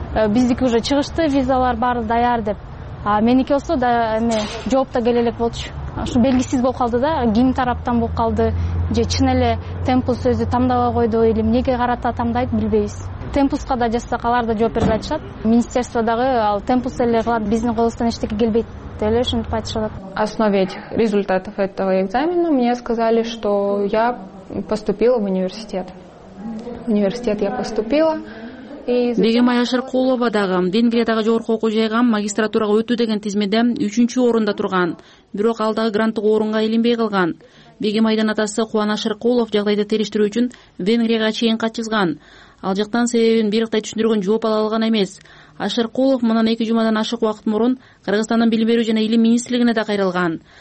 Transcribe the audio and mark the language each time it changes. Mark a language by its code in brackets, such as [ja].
[ky] Биздики [ru] уже [ky] чыгышты, визалар баары даяр деп. А меники болсо да эме жооп да келе элек болчу. Ошо белгисиз болуп калды да, ким тараптан болуп калды же чын эле Темпус өзү тандабай койду, [ru] или [ky] эмнеге карата тандайт билбейбиз. Темпуска да жазсак алар да жооп берип атышат. Министерстводагы ал Темпус эле кылат, биздин колубуздан эчтеке келбейт деп эле ушинтип айтышат. [ru] На основе этих результатов этого экзамена мне сказали, что я поступила в университет. Университет я поступила. [ky] Бегем Аяшыр Кулова-дагы Венгриядагы жогорку окуу жайга магистратурага өтүү деген тизмеде 3-чү орунда турган, бирок ал дагы гранттык орунга илинбей калган. Бегем Айдын атасы Кубанашыр Кулов жагдайды териштирүү үчүн Венгрияга чейин катышкан. Ал жактан себебин бир ыктай түшүндүргөн жооп ала алган эмес. Ашыр Кулов мындан 2 жумадан ашык убакыт мурун Кыргызстандын билим берүү жана илим министрлигине да кайрылган.